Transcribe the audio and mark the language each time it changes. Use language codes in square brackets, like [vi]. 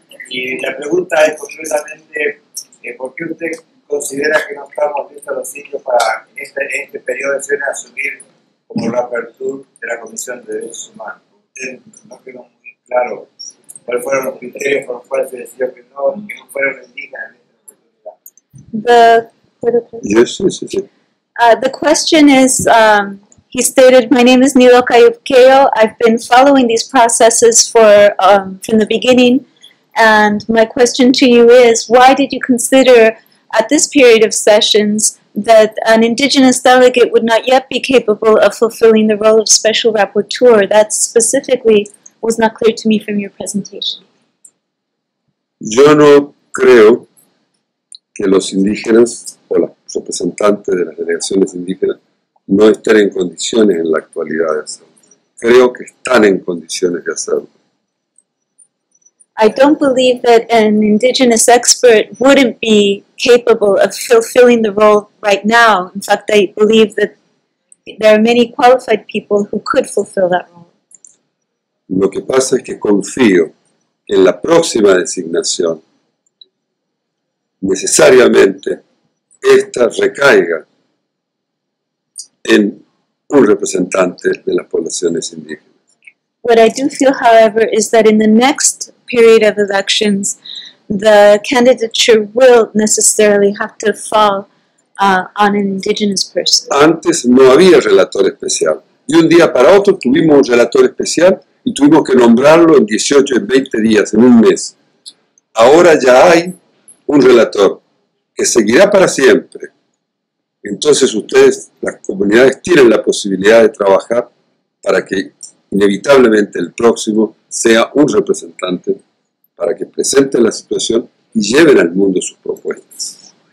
[es] Y la pregunta es concretamente, ¿por qué usted considera que no estamos listos los indios para en este periodo de sesiones asumir como la apertura de la Comisión de Derechos Humanos? Usted no quedó muy claro cuáles fueron los criterios por los cuales se decidió que no fueron indígenas. [en] The question is, he stated, my name is Nilo Kayupkeo. I've been following these processes from the beginning. And my question to you is, why did you consider at this period of sessions that an indigenous delegate would not yet be capable of fulfilling the role of special rapporteur? That specifically was not clear to me from your presentation. [es] Yo no creo que los indígenas o los representantes de las delegaciones indígenas no estén en condiciones en la actualidad de hacerlo. Creo que están en condiciones de hacerlo. [en] I don't believe that an indigenous expert wouldn't be capable of fulfilling the role right now. In fact, I believe that there are many qualified people who could fulfill that role. [es] Lo que pasa es que confío que en la próxima designación necesariamente esta recaiga en un representante de las poblaciones indígenas. [en] What I do feel, however, is that in the next period of elections, the candidature will necessarily have to fall on an indigenous person. [es] Antes no había relator especial. Y un día para otro tuvimos un relator especial y tuvimos que nombrarlo en 18, en 20 días, en un mes. Ahora ya hay un relator que seguirá para siempre. Entonces ustedes, las comunidades, tienen la posibilidad de trabajar para que inevitablemente el próximo sea un representante para que presente la situación y lleven al mundo sus propuestas.